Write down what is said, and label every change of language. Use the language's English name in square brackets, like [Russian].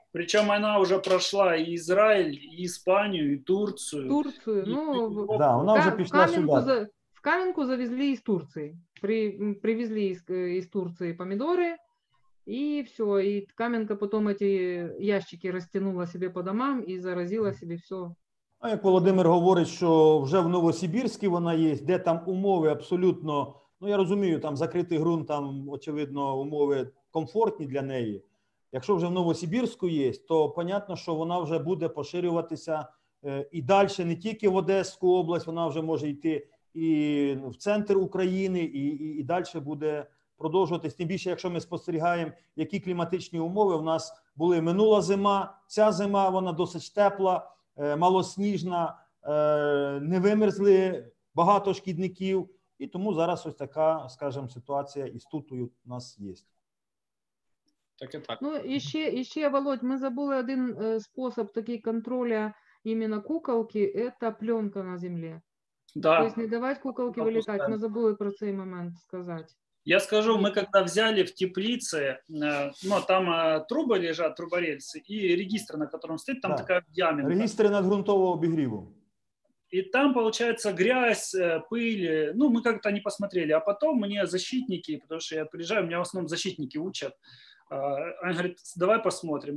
[Russian] Причем она уже прошла и Израиль, и Испанию, и Турцию. Турцию, ну, и... да, она уже пришла сюда. В Каменку завезли из Турции. Привезли из Турции помидоры, и все. И Каменка потом эти ящики растянула себе по домам и заразила себе все. [Ukrainian] А як Володимир говорить, що вже в Новосибірську вона є, де там умови абсолютно, ну я розумію, там закритий ґрунт, там очевидно умови комфортні для неї. Якщо вже в Новосибірську є, то понятно, що вона вже буде поширюватися і далі, не тільки в Одеську область, вона вже може йти і в центр України, і далі буде продовжуватись. Тим більше, якщо ми спостерігаємо, які кліматичні умови в нас були минула зима, ця зима, вона досить тепла, малосніжна, не вимерзли багато шкідників, і тому зараз ось така, скажімо, ситуація і з тутою у нас є. Так і так. Ну, і ще, Володь, ми забули один спосіб такий контролю іменно куколки – це пленка на землі. [Russian] Да. [Ukrainian] То есть не давати куколки вилітати, ми забули про цей момент сказати. [Russian] Я скажу, мы когда взяли в теплице, ну, там трубы лежат, труборельсы, и регистр, на котором стоит, там да. Такая ямина. Регистры надгрунтового обогрева. И там, получается, грязь, пыль, ну, мы как-то не посмотрели. А потом мне защитники, потому что я приезжаю, меня в основном защитники учат, они говорят, давай посмотрим.